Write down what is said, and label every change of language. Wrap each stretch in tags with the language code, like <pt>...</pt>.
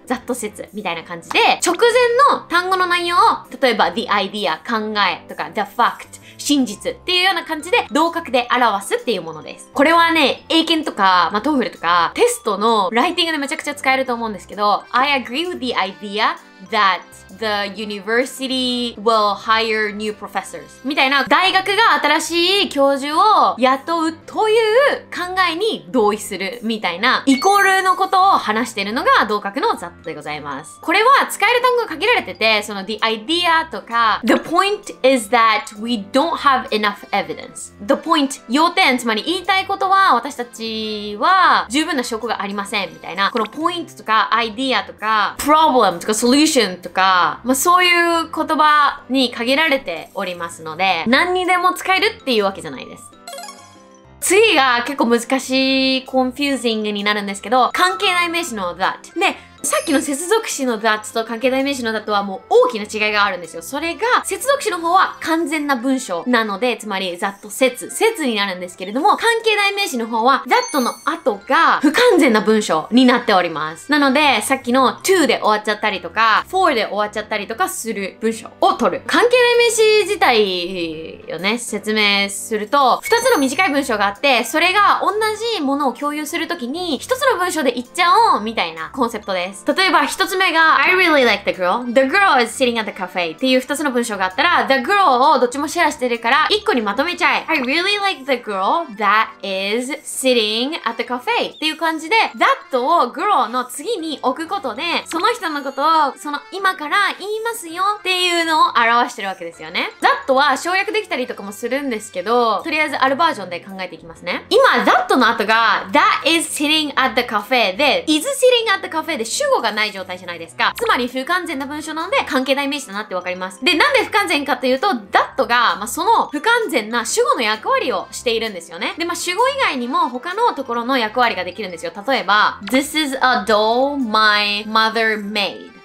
<ja>that 説みたいな感じで、直前の単語の内容を、例えば the idea、考えとか the fact、真実っていうような感じで、同格で表すっていうものです。これはね、英検とか、まあ TOEFL とか、テストのライティングでめちゃくちゃ使えると思うんですけど、</ja> <en>I agree with the idea that the university will hire new professors.</en> <ja>みたいな、大学が新しい教授を雇うという考えに同意するみたいな、イコールのことを話しているのが同格の ZAT でございます。これは使える単語が限られてて、その</ja> <en>the idea とか、the point is that we don't have enough evidence.</en> <ja>The point、要点、つまり言いたいことは私たちは十分な証拠がありませんみたいな、この point とか idea とか problem とか solution とか、まあ、そういう言葉に限られておりますので、何にでも使えるっていうわけじゃないです。次が結構難しい、confusing になるんですけど、関係代名詞の that。で、さっきの接続詞の that と関係代名詞の that はもう大きな違いがあるんですよ。それが、接続詞の方は完全な文章なので、つまり that 接、接になるんですけれども、関係代名詞の方は that の後が不完全な文章になっております。なので、さっきの to で終わっちゃったりとか、for で終わっちゃったりとかする文章を取る。関係代名詞自体をね、説明すると、二つの短い文章があって、それが同じものを共有するときに、一つの文章で言っちゃおうみたいなコンセプトです。例えば一つ目が</ja> <en>I really like the girl. The girl is sitting at the cafe.</en> <ja>っていう二つの文章があったら The girl をどっちもシェアしてるから一個にまとめちゃえ。</ja> <en>I really like the girl that is sitting at the cafe.</en> <ja>っていう感じで That を girl の次に置くことでその人のことをその今から言いますよっていうのを表してるわけですよね。 That は省略できたりとかもするんですけど、とりあえずあるバージョンで考えていきますね。</ja> <en>今 That の後が That is sitting at the cafe で Is sitting at the cafe</en> <ja>で主語がない状態じゃないですか。つまり不完全な文章なので関係代名詞だなってわかります。で、なんで不完全かというと、that が、まあ、その不完全な主語の役割をしているんですよね。で、まあ、主語以外にも他のところの役割ができるんですよ。例えば、</ja> <en>This is a doll my mother made.</en>